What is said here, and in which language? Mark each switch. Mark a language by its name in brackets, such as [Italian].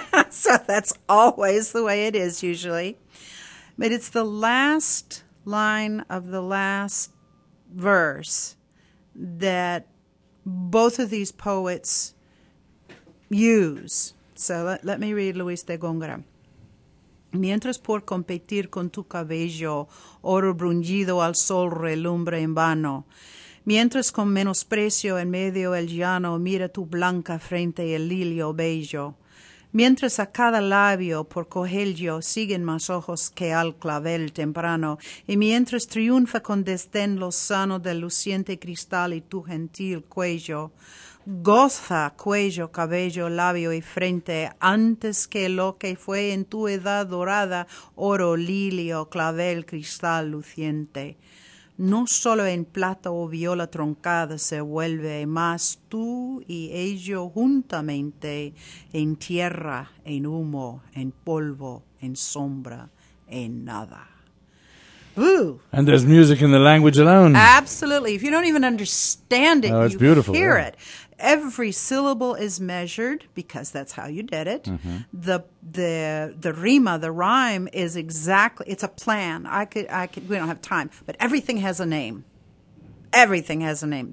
[English] So that's always the way it is, usually. But it's the last line of the last verse that both of these poets use. So let me read Luis de Góngora. [Spanish] Mientras por competir con tu cabello, oro bruñido al sol relumbre en vano, mientras con menosprecio en medio el llano mira tu blanca frente el lilio bello, mientras a cada labio por cogello siguen más ojos que al clavel temprano, y mientras triunfa con desdén lo sano del luciente cristal y tu gentil cuello, goza cuello, cabello, labio y frente antes que lo que fue en tu edad dorada, oro, lilio, clavel, cristal, luciente. No solo en plata o viola troncada se vuelve, mas tú y ello juntamente en tierra, en humo, en polvo, en sombra, en nada. Ooh. [English] And there's music in the language alone. Absolutely. If you don't even understand it, it's beautiful, hear yeah. it. Every syllable is measured because that's how you did it. Mm-hmm. The rima, the rhyme is exactly, it's a plan. We don't have time, but everything has a name. Everything has a name.